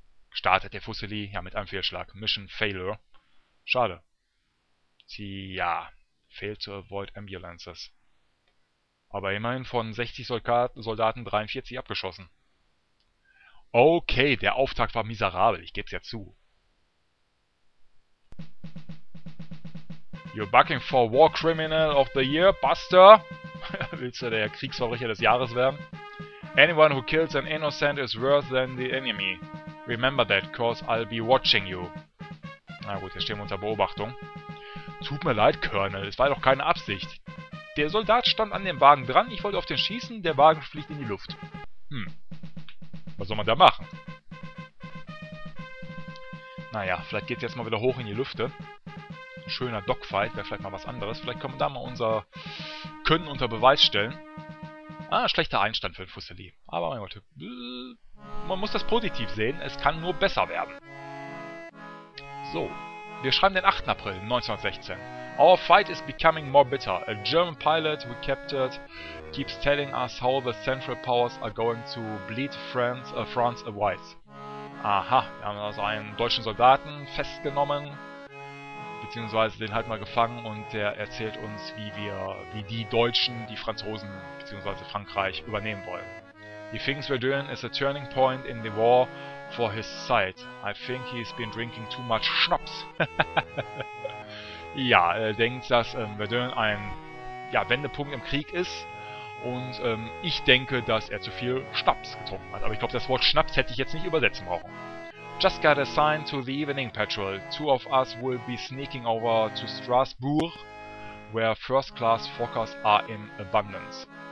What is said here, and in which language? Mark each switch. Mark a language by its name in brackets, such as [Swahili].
[German] Startet der Fuszeli ja mit einem Fehlschlag. [English] Mission Failure. [German] Schade. Tja, [English] fail to avoid ambulances. [German] Aber immerhin von 60 Soldaten 43 abgeschossen. Okay, der Auftakt war miserabel, ich geb's ja zu. [English] You're bucking for War Criminal of the Year, Buster! [German] Willst du der Kriegsverbrecher des Jahres werden? [English] Anyone who kills an innocent is worse than the enemy. Remember that, cause I'll be watching you. [German] Na gut, jetzt stehen wir unter Beobachtung. Tut mir leid, Colonel, es war doch keine Absicht. Der Soldat stand an dem Wagen dran, ich wollte auf den schießen, der Wagen fliegt in die Luft. Was soll man da machen? Naja, vielleicht geht's jetzt mal wieder hoch in die Lüfte. Ein schöner Dogfight wäre vielleicht mal was anderes. Vielleicht können wir da mal unser Können unter Beweis stellen. Ah, schlechter Einstand für den Fusselli. Aber mein Gott, man muss das positiv sehen, es kann nur besser werden. So, wir schreiben den 8. April 1916. [English] Our fight is becoming more bitter. A German pilot we captured keeps telling us how the Central Powers are going to bleed France white. [German] Aha, wir haben also einen deutschen Soldaten festgenommen, beziehungsweise den halt mal gefangen und der erzählt uns, wie die Deutschen die Franzosen beziehungsweise Frankreich übernehmen wollen. [English] He thinks we're doing is a turning point in the war for his side. I think he's been drinking too much Schnaps. [German] Ja, er denkt, dass Verdun ein Wendepunkt im Krieg ist. Und ich denke, dass er zu viel Schnaps getrunken hat. Aber ich glaube, das Wort Schnaps hätte ich jetzt nicht übersetzen brauchen. [English] Just got assigned to the evening patrol. Two of us will be sneaking over to Strasbourg, where first-class Fokkers are in abundance.